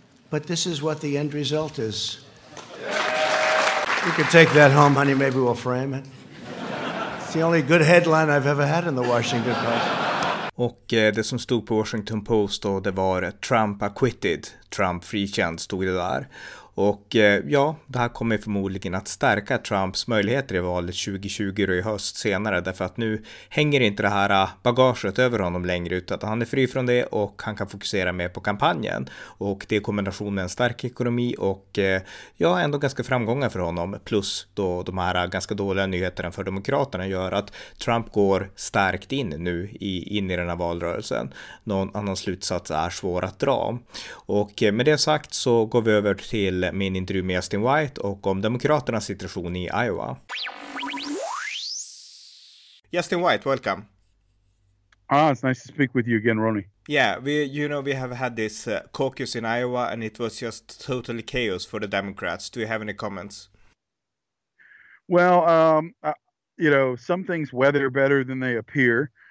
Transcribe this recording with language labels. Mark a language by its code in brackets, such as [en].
[en] But this is what the end result is. You can take that home, honey. Maybe we'll frame it. It's the only good headline I've ever had in the Washington Post. [sv] Och det som stod på Washington Post då, det var [en] Trump acquitted, [sv] Trump frikänd stod det där. Och ja, det här kommer förmodligen att stärka Trumps möjligheter i valet 2020 och i höst senare. Därför att nu hänger inte det här bagaget över honom längre, utan han är fri från det och han kan fokusera mer på kampanjen. Och det är kombinationen med en stark ekonomi och ja, ändå ganska framgångar för honom. Plus då de här ganska dåliga nyheterna för demokraterna gör att Trump går starkt in nu in i den här valrörelsen. Någon annan slutsats är svår att dra. Och med det sagt så går vi över till min intervju med Justin White och om demokraternas situation i Iowa. [en] Justin White, welcome. Ah, it's nice to speak with you again, Ronnie. Yeah, we have had this caucus in Iowa and it was just totally chaos for the Democrats. Do you have any comments? Well, you know, some things weather better than they appear.